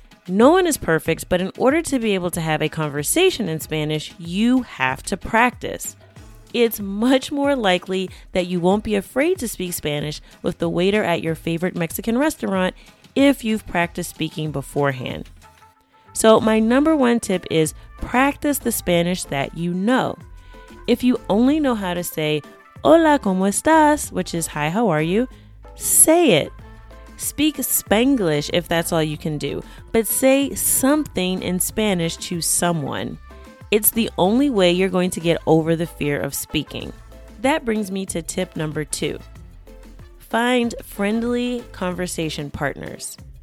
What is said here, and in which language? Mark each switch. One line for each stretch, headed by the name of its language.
English: No one is perfect, but in order to be able to have a conversation in Spanish, you have to practice. It's much more likely that you won't be afraid to speak Spanish with the waiter at your favorite Mexican restaurant if you've practiced speaking beforehand. So my number one tip is practice the Spanish that you know. If you only know how to say,
Spanish: hola, ¿cómo estás?
English: Which is, hi, how are you? Say it. Speak Spanglish if that's all you can do, but say something in Spanish to someone. It's the only way you're going to get over the fear of speaking. That brings me to tip number two. Find friendly conversation partners.